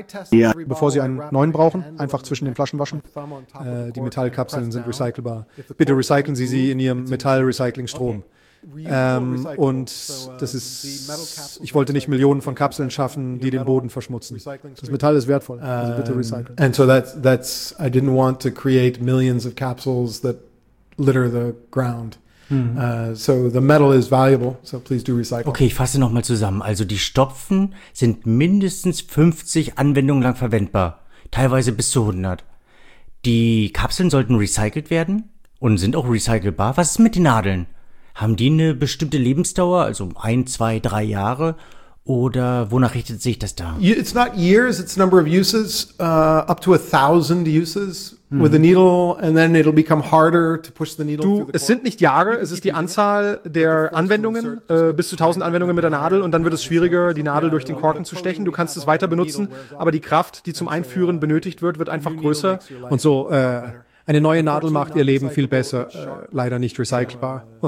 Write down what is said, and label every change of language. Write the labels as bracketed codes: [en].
[de] Ja. Bevor Sie einen neuen brauchen, einfach zwischen den Flaschen waschen. Die Metallkapseln sind recycelbar. Bitte recyceln Sie sie in Ihrem Metallrecyclingstrom. Und das ist, ich wollte nicht Millionen von Kapseln schaffen, die den Boden verschmutzen. Das Metall ist wertvoll, also bitte recyceln. [en] And so that's, I didn't want to create millions of capsules that litter the ground. So the metal is valuable, so please do recycle. [de] Okay, ich fasse nochmal zusammen. Also die Stopfen sind mindestens 50 Anwendungen lang verwendbar, teilweise bis zu 100. Die Kapseln sollten recycelt werden und sind auch recycelbar. Was ist mit den Nadeln? Haben die eine bestimmte Lebensdauer, also 1, 2, 3 Jahre? Oder wonach richtet sich das da? [en] It's not years, it's number of uses, up to 1,000 uses with a needle, and then it'll become harder to push the needle. [de] Du, es sind nicht Jahre, es ist die Anzahl der Anwendungen, bis zu 1,000 Anwendungen mit der Nadel, und dann wird es schwieriger, die Nadel durch den Korken zu stechen. Du kannst es weiter benutzen, aber die Kraft, die zum Einführen benötigt wird, wird einfach größer. Und so, eine neue Nadel macht ihr Leben viel besser, leider nicht recycelbar.